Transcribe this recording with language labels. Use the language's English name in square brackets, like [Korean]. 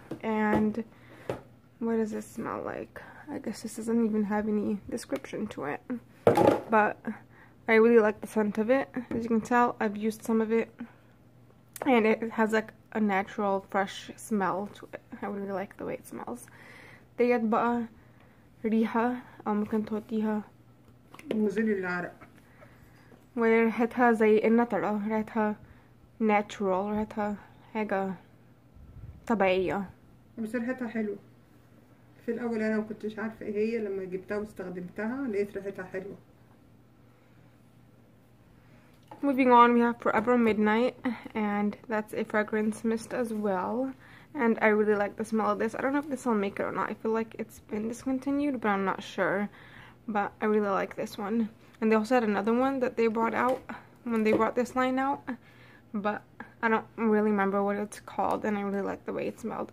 [English] And what does this smell like? I guess this doesn't even have any description to it, but I really like the scent of it. As you can tell, I've used some of it and it has like a natural fresh smell to it. I really like the way it smells. [Arabic] ديت بقى ريحة، أو ممكن تحطيها نزل العرق، وريحتها زي النترة، ريحتها [English] natural، [Arabic] ريحتها حاجة طبيعية بس ريحتها حلو. في الأول أنا مكنتش عارفة ايه هي، لما جبتها واستخدمتها لقيت ريحتها حلوة. [English] Moving on, we have Forever Midnight, and that's a fragrance mist as well. And I really like the smell of this. I don't know if this will make it or not. I feel like it's been discontinued, but I'm not sure. But I really like this one. And they also had another one that they brought out when they brought this line out, but I don't really remember what it's called, and I really like the way it smelled.